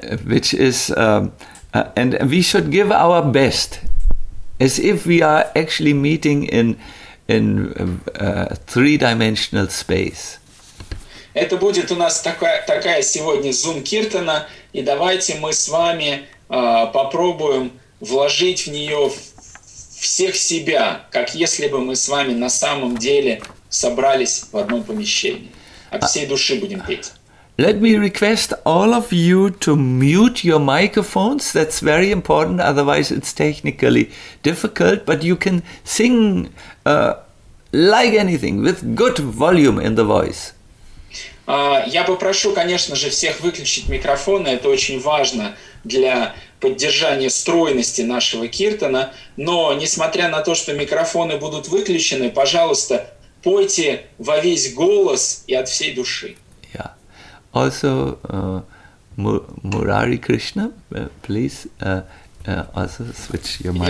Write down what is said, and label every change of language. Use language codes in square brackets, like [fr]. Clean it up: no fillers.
[en] Which is and we should give our best as if we are actually meeting in three-dimensional space. [ru] Это будет у нас такая сегодня Zoom Киртана, и давайте мы с вами попробуем вложить в нее всех себя, как если бы мы с вами на самом деле собрались в одном помещении. От всей души будем петь. [en] Let me request all of you to mute your microphones. That's very important, otherwise it's technically difficult. But you can sing like anything, with good volume in the voice. [ru] Я попрошу, конечно же, всех выключить микрофоны. Это очень важно для поддержания стройности нашего киртана. Но, несмотря на то, что микрофоны будут выключены, пожалуйста, пойте во весь голос и от всей души. [en] Also, Murari Krishna, please also switch your mic.